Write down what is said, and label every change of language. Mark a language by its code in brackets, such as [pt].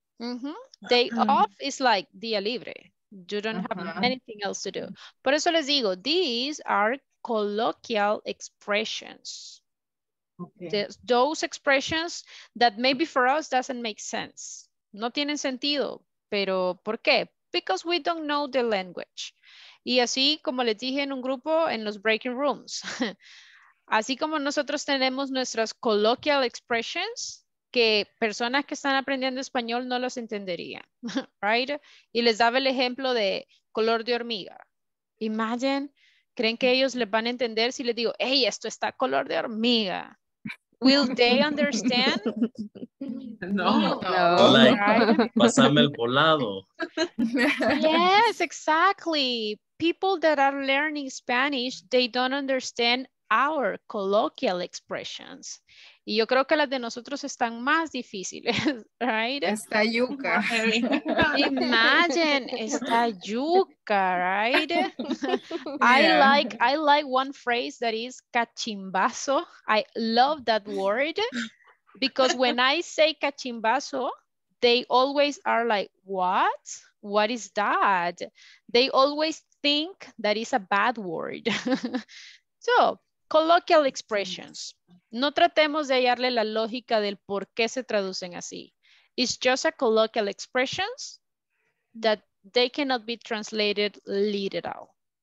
[en] Mm-hmm. Day off is like [es] día libre. [en] You don't have anything else to do. [es] Por eso les digo, [en] these are colloquial expressions. Okay. Those expressions that maybe for us doesn't make sense. [es] No tienen sentido, pero ¿por qué? [en] Because we don't know the language. [es] Y así como les dije en un grupo en los breaking rooms, así como nosotros tenemos nuestras colloquial expressions, que personas que están aprendiendo español no los entenderían, right? Y les daba el ejemplo de color de hormiga. Imagine, ¿creen que ellos les van a entender si les digo, hey, esto está color de hormiga? [en] Will they understand? No. [es] Like, pásame el volado. [en] Yes, exactly. People that are learning Spanish, they don't understand our colloquial expressions. [es] Y yo creo que las de nosotros están más difíciles, right? Está yuca. [en] Imagine, [es] está yuca, [en] right? Yeah. I like one phrase that is cachimbazo. I love that word because when I say cachimbazo, they always are like, what? What is that? They always think that is a bad word. So, colloquial expressions. [es] No tratemos de hallarle la lógica del por qué se traducen así. [en] It's just a colloquial expressions that they cannot be translated literal.